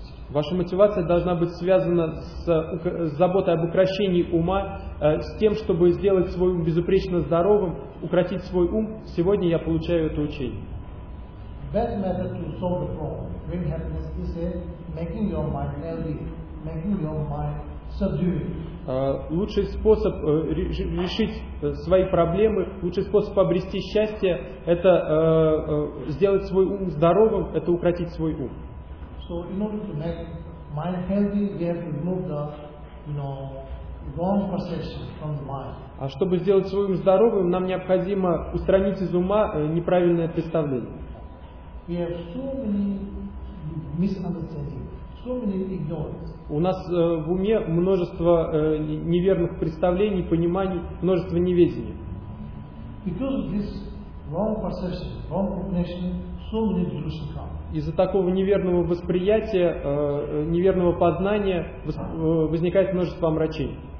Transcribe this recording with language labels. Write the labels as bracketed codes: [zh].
[ru] Ваша мотивация должна быть связана с заботой об укрощении ума, с тем, чтобы сделать свой ум безупречно здоровым, укротить свой ум. Сегодня я получаю это учение. [en] Best method to solve the problem, bring happiness, is making your mind healthy, making your mind subdued. [ru] Лучший способ решить свои проблемы, лучший способ обрести счастье – это сделать свой ум здоровым, это укротить свой ум. [en] So in order to make mind healthy, we have to remove the, wrong perception from the mind. [ru] А чтобы сделать свой ум здоровым, нам необходимо устранить из ума неправильное представление. [en] We have so many misunderstandings, so many ignorance. [ru] У нас в уме множество неверных представлений, пониманий, множество неведений. [en] Because of this wrong perception, wrong cognition, so many delusions come. [ru] Из-за такого неверного восприятия, неверного познания возникает множество омрачений.